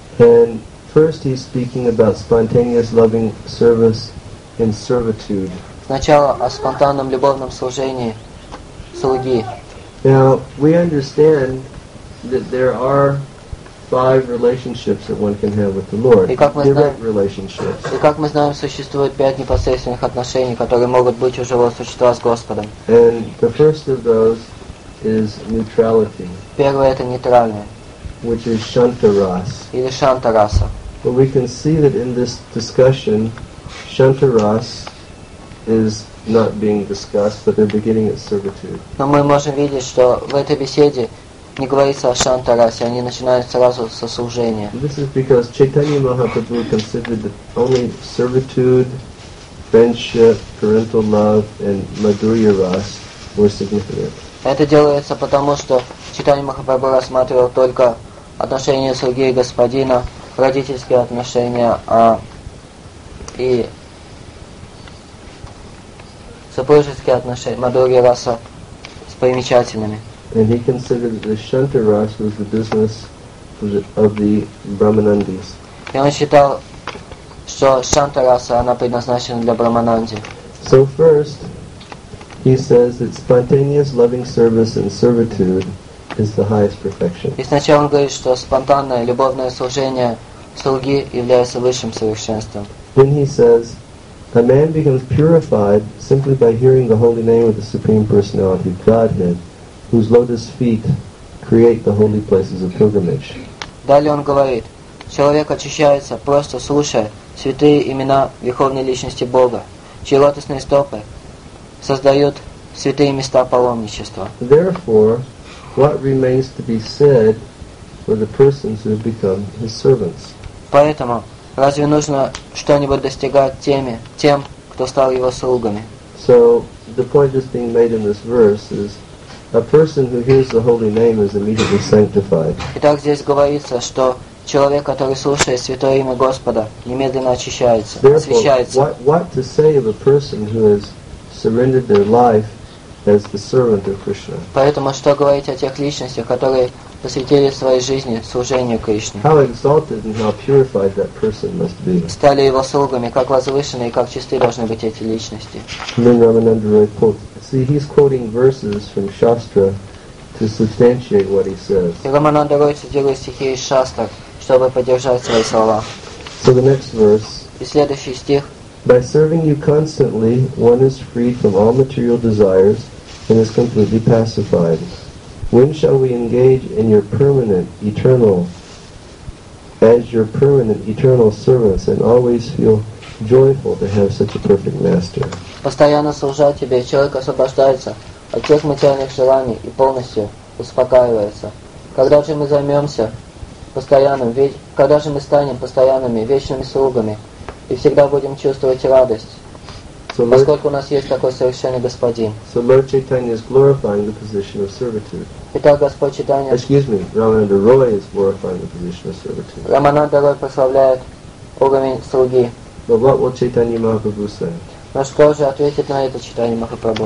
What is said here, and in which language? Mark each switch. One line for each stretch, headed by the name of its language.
English: And first, he's speaking about spontaneous loving service and servitude.
Russian: Сначала о спонтанном любовном служении слуги.
English: Now we understand that there are five relationships that one can have with the Lord. Direct relationships.
Russian: И как мы знаем, существует пять непосредственных отношений, которые могут быть у живого существа с Господом.
English: And the first of those is neutrality.
Russian: Первое это нейтральное.
English: Which is shantaras.
Russian: Или шантараса.
English: But we can see that in this discussion, shantaras is not being discussed, but they're beginning at servitude.
Russian: Но мы можем видеть, что в этой беседе не говорится о шантарасе, они начинают сразу со служения.
English: This is because Chaitanya Mahaprabhu considered that only servitude, friendship, parental love, and madhurya ras were significant.
Russian: Это делается потому, что Чайтанья Махапрабху рассматривал только отношения слуги и господина, родительские отношения, и супружеские отношения, мадхурья раса с примечательными.
English: And he considered that the shantaras was the business of the brahmanandis.
Russian: И он считал, что шантараса, она предназначена для брахмананди.
English: So first, he says that spontaneous loving service and servitude is the highest perfection.
Russian: И сначала он говорит, что спонтанное любовное служение слуги является высшим совершенством.
English: Then he says, a man becomes purified simply by hearing the holy name of the Supreme Personality of Godhead, whose lotus feet create the holy places of pilgrimage.
Russian: Далее он говорит, человек очищается, просто слушая святые имена Верховной Личности Бога, чьи лотосные стопы создают святые места паломничества.
English: Therefore, what remains to be said for the persons who have become his servants?
Russian: Поэтому разве нужно что-нибудь достигать тем, кто стал его слугами?
English: So the point that's being made in this verse is a person who hears the holy name is immediately sanctified.
Russian: Итак, здесь говорится, что человек, который слушает святое имя Господа, немедленно очищается, освящается.
English: Therefore, what to say of a person who has surrendered their life as the servant of Krishna?
Russian: Поэтому что говорить о тех личностях, которые посвятили своей жизни служению Кришне.
English: How exalted and how purified that person must be.
Russian: Стали его слугами, как возвышенные и как чисты должны быть эти личности.
English: Then Ramananda Roy quotes. See, he's quoting verses from Shastra to substantiate what he says.
Russian: И Рамананда Рой цитирует стихи из Шастр, чтобы поддержать свои слова.
English: So the next verse,
Russian: И следующий стих.
English: By serving you constantly, one is free from all material desires and is completely pacified. When shall we engage in your permanent, eternal, as your permanent, eternal service and always feel joyful to have such a perfect master?
Russian: Постоянно служа тебе, человек освобождается от всех материальных желаний и полностью успокаивается. Когда же мы займемся постоянным, ведь когда же мы станем постоянными, вечными слугами? И всегда будем чувствовать радость, so поскольку у нас есть такой совершенный Господин.
English: So Lord Chaitanya is glorifying the position of servitude.
Russian: Итак, Господь Чайтанья...
English: Excuse me, Рамананда Рой is glorifying the position of servitude.
Russian: Рамананда Рой прославляет уровень слуги.
English: But what will Chaitanya Mahaprabhu say?
Russian: Но что же ответит на это Чайтанья Махапрабху?